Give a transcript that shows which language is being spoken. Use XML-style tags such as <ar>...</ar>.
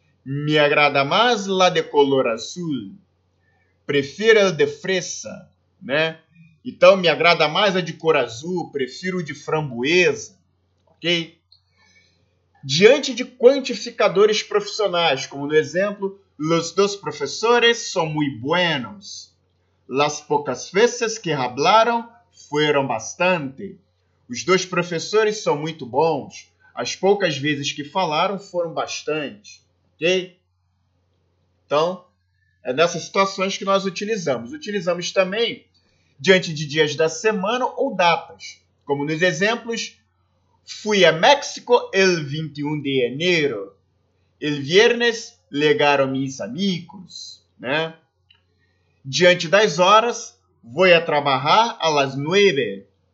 <es>Me agrada más la de color azul. Prefiro el de fresa, né?</es> <pt>Então, me agrada mais a de cor azul, prefiro o de framboesa, ok? Diante de quantificadores profissionais, como no exemplo,</pt> <es>los dos profesores son muy buenos. Las pocas veces que hablaron fueron bastante.</es> <pt>Os dois professores são muito bons. As poucas vezes que falaram foram bastante, ok? Então, é nessas situações que nós utilizamos. Utilizamos também diante de dias da semana ou datas. Como nos exemplos,</pt> <es>fui a México el 21 de enero. El viernes llegaron mis amigos, né?</es> <pt>Diante das horas,</pt> <es>voy a trabajar a las 9.</es>